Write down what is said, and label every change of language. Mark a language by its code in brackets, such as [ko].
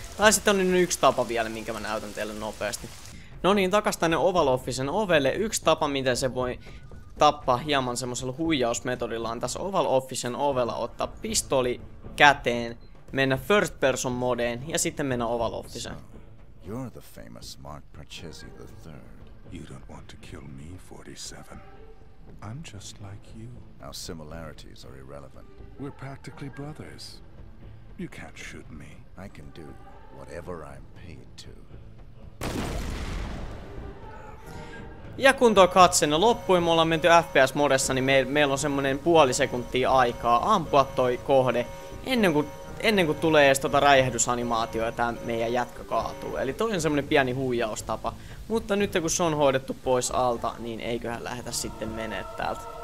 [fi] Tai sitten on nyt yksi tapa vielä, minkä mä näytän teille nopeasti. No niin, takas tänne Oval Officen ovelle. Yksi tapa, miten se voi tappaa hieman semmoisella huijausmetodilla, on tässä Oval Officen ovella ottaa pistoli käteen, mennä [en] first person [fi] modeen ja sitten mennä Oval Officeen. [en] So, you're the famous Mark Parcherci the third. You don't want to kill me, 47. I'm just like you. Our similarities are irrelevant. We're practically brothers. You can't shoot me. I can do whatever I'm paid to. [fi] Ja kun tuo katsenne loppui, me ollaan menty FPS-modessa, niin meillä on semmonen puoli sekuntia aikaa ampua toi kohde ennen kuin tulee edes tota räjähdysanimaatio ja tää meidän jätkä kaatuu. Eli toi on semmonen pieni huijaustapa. Mutta nyt kun se on hoidettu pois alta, niin eiköhän lähetä sitten menee täältä.